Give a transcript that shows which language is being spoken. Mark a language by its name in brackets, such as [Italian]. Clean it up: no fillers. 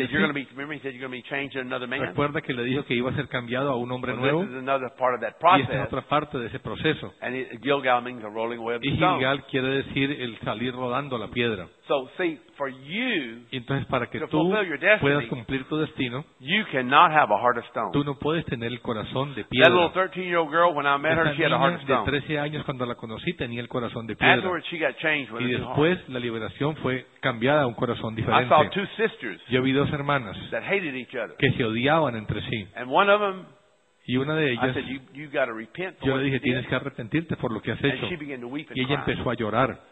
[English] He said you're going to be changed to another man. [Spanish] Recuerda que le dijo que iba a ser cambiado a un hombre [English] well, [Spanish] nuevo. [English] This is another part of that process. [Spanish] Y esta es otra parte de ese proceso. [English] And Gilgal means a rolling away of the [Spanish] stone. Y Gilgal quiere decir el salir rodando la piedra. [English] So see, for you, [Spanish] entonces para que [English] to fulfill your destiny, [Spanish] puedas cumplir tu destino, [English] you cannot have a heart of stone. [Spanish] Tú no puedes tener el corazón de piedra. [English] That little 13-year-old girl, when I met her, she had a heart of stone. [Spanish] 13 años cuando la conocí tenía el corazón de piedra y después la liberación fue cambiada a un corazón diferente. Yo vi dos hermanas que se odiaban entre sí y una de ellas yo le dije tienes que arrepentirte por lo que has hecho y ella empezó a llorar.